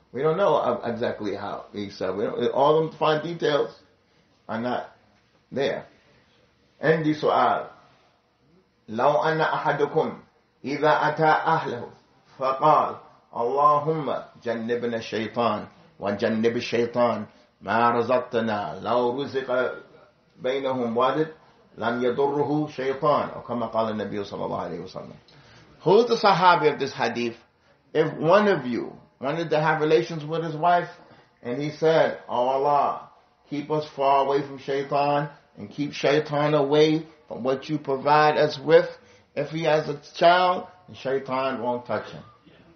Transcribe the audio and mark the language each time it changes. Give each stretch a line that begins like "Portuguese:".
English: We don't know exactly how Isa. All the fine details are not there.
Arabic: عندي سؤال لو أن أحدكم إذا أتى أهله فقال اللهم جنبنا الشيطان وجنب الشيطان ما رزقتنا لو رزق بينهم والد لم يضره شيطان أو كما قال النبي صلى الله عليه وسلم.
English: Who's the Sahabi of this hadith? If one of you wanted to have relations with his wife and he said, oh Allah, keep us far away from shaitan and keep shaitan away from what you provide us with, if he has a child, then shaitan won't touch him. Yeah.